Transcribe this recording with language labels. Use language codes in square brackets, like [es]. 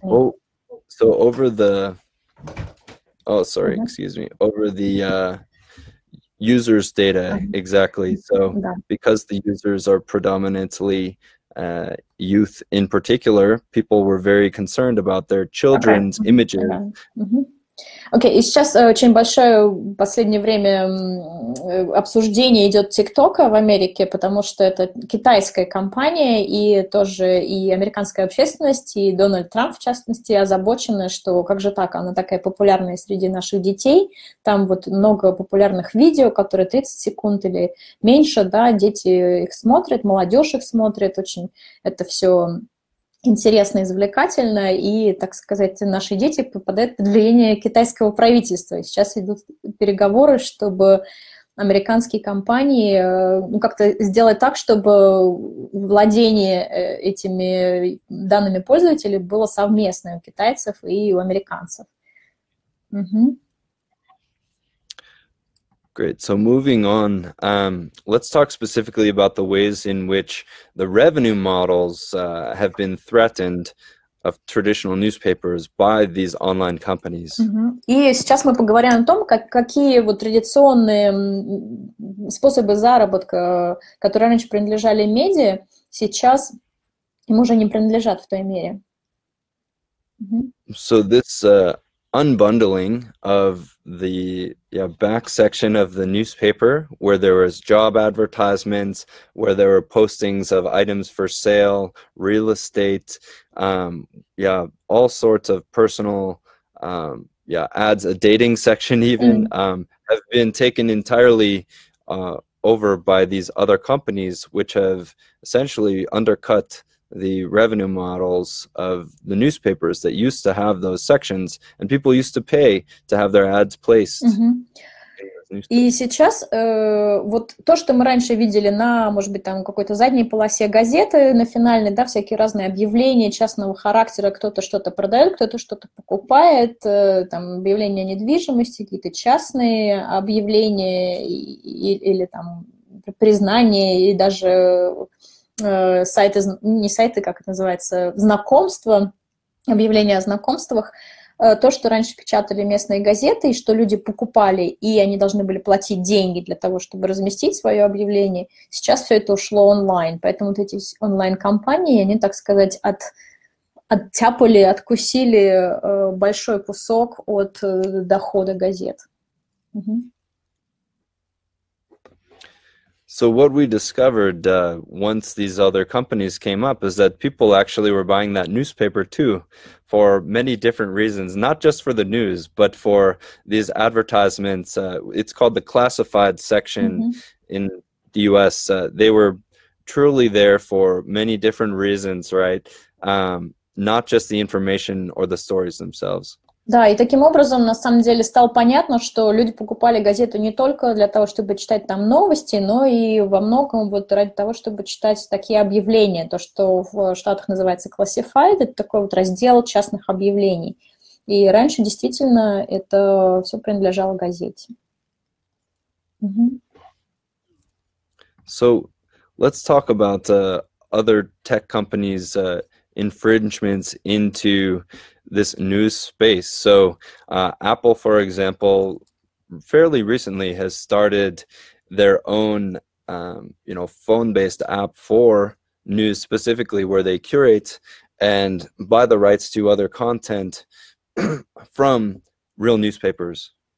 [en] Oh, so over the... Oh, sorry, mm-hmm. excuse me. Over the user's data, mm-hmm. exactly. So yeah. Because the users are predominantly youth in particular, people were very concerned about their children's okay. images. Okay. Mm-hmm. [ru] Окей, и сейчас очень большое в последнее время обсуждение идет ТикТока в Америке, потому что это китайская компания, и тоже и американская общественность, и Дональд Трамп, в частности, озабочены, что как же так, она такая популярная среди наших детей, там вот много популярных видео, которые 30 секунд или меньше, да, дети их смотрят, молодежь их смотрит, очень это все... интересно, извлекательно, и, так сказать, наши дети попадают под влияние китайского правительства. Сейчас идут переговоры, чтобы американские компании ну, как-то сделать так, чтобы владение этими данными пользователей было совместное у китайцев и у американцев. Угу. [en] Great. So moving on, let's talk specifically about the ways in which the revenue models have been threatened of traditional newspapers by these online companies. [ru] Mm-hmm. И сейчас мы поговорим о том, какие вот традиционные способы заработка, которые раньше принадлежали медиа, сейчас им уже не принадлежат в той мере. [en] Mm-hmm. So this... unbundling of the back section of the newspaper where there was job advertisements, where there were postings of items for sale, real estate, all sorts of personal ads, a dating section even, have been taken entirely over by these other companies, which have essentially undercut the revenue models of the newspapers that used to have those sections, and people used to pay to have their ads placed. Mm-hmm. [ru] И сейчас вот то, что мы раньше видели на, может быть, там какой-то задней полосе газеты, на финальной, да, всякие разные объявления частного характера, кто-то что-то продает, кто-то что-то покупает, там объявления о недвижимости, какие-то частные объявления или там признания и даже сайты, не сайты, как это называется, знакомства, объявления о знакомствах, то, что раньше печатали местные газеты, и что люди покупали, и они должны были платить деньги для того, чтобы разместить свое объявление, сейчас все это ушло онлайн, поэтому вот эти онлайн-компании, они, так сказать, оттяпали, откусили большой кусок от дохода газет. Угу. [en] So what we discovered once these other companies came up is that people actually were buying that newspaper too for many different reasons, not just for the news, but for these advertisements. It's called the classified section mm-hmm. in the US. They were truly there for many different reasons, right? Not just the information or the stories themselves. [ru] Да, и таким образом, на самом деле, стало понятно, что люди покупали газету не только для того, чтобы читать там новости, но и во многом вот ради того, чтобы читать такие объявления, то, что в Штатах называется classified, это такой вот раздел частных объявлений. И раньше действительно это все принадлежало газете. Угу. [en] So, let's talk about other tech companies' infringements into this news space. So Apple, for example, fairly recently has started their own phone-based app for news specifically, where they curate and buy the rights to other content from real newspapers.